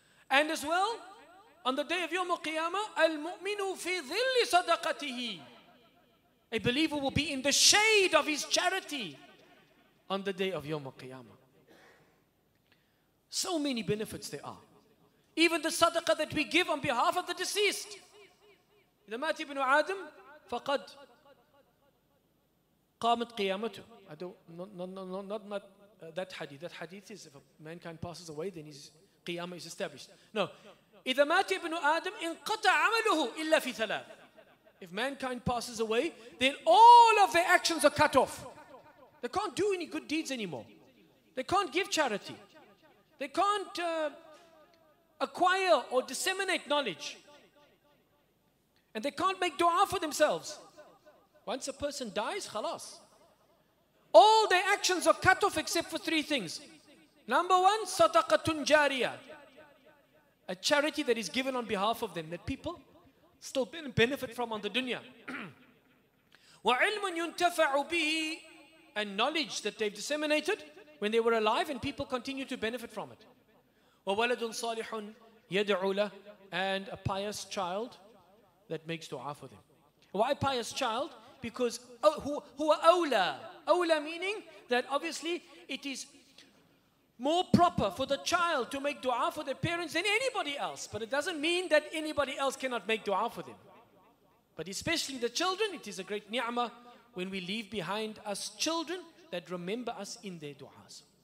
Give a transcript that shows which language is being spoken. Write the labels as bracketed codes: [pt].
[en] And as well, on the day of Yawm al-Qiyamah, [ar] al-mu'minu fi dhilli sadaqatihi. [en] A believer will be in the shade of his charity on the day of Yawm al-Qiyamah. So many benefits there are. Even the sadaqah that we give on behalf of the deceased. [ar] إذا مات ابن آدم فقد قامت قيامته. [en] Not that hadith. That hadith is, if a mankind passes away, then his qiyamah is established. No. [ar] إذا مات ابن آدم انقطع عمله إلا في ثلاث. [en] If mankind passes away, then all of their actions are cut off. They can't do any good deeds anymore. They can't give charity. They can't acquire or disseminate knowledge. And they can't make dua for themselves. Once a person dies, khalas. All their actions are cut off except for three things. Number one, sadaqatun jariyah. A charity that is given on behalf of them, that people still benefit from on the dunya. [ar] وَعِلْمٌ يُنْتَفَعُ بِهِ. [en] And knowledge that they've disseminated when they were alive, and people continue to benefit from it. [ar] وَوَلَدٌ صَالِحٌ يَدْعُ لَهُ. [en] And a pious child that makes dua for them. Why pious child? Because [ar] هو أولى. [en] أولى meaning that obviously it is more proper for the child to make dua for their parents than anybody else. But it doesn't mean that anybody else cannot make dua for them. But especially the children, it is a great ni'mah when we leave behind us children that remember us in their duas.